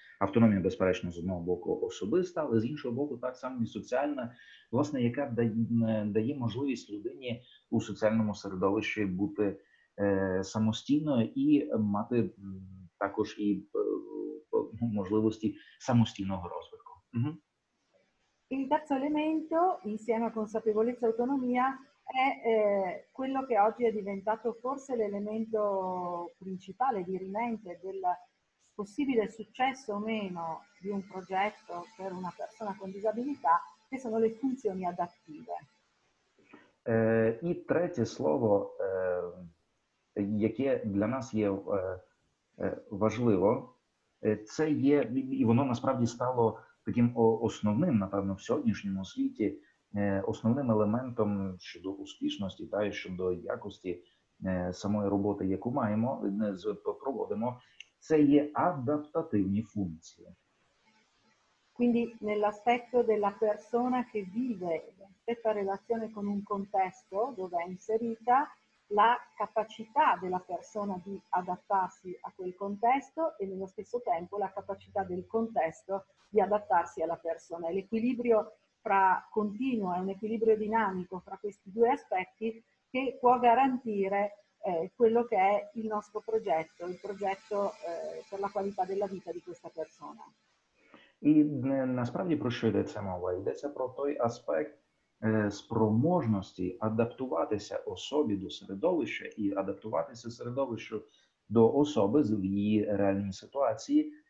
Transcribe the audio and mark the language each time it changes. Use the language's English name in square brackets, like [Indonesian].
[Ukrainian] Автономія, безперечно, з одного боку особиста, але з іншого боку так само і соціальна, власне, яка дає можливість людині у соціальному середовищі бути самостійною і мати також і можливості самостійного розвитку. [Italian] Il terzo elemento, insieme a consapevolezza e autonomia, è quello che oggi è diventato forse l'elemento principale, dirimente, del possibile successo o meno di un progetto per una persona con disabilità, che sono le funzioni adattive. Il [Ukrainian] третє слово, яке для нас є важливо, це є, і воно насправді стало таким основним, напевно, в сьогоднішньому світі, основним елементом щодо успішності, та й щодо якості самої роботи, яку маємо, проводимо, це є адаптативні функції. [Italian] Quindi nell'aspetto della persona che vive stessa relazione con un contesto dove è inserita, la capacità della persona di adattarsi a quel contesto e nello stesso tempo la capacità del contesto di adattarsi alla persona. L'equilibrio fra continuo, è un equilibrio dinamico fra questi due aspetti che può garantire quello che è il nostro progetto, il progetto per la qualità della vita di questa persona. [Ukrainian] І насправді про що йдеться мова? Йдеться про той аспект спроможності адаптуватися особі до середовища і адаптуватися середовищу до особи в її реальній ситуації.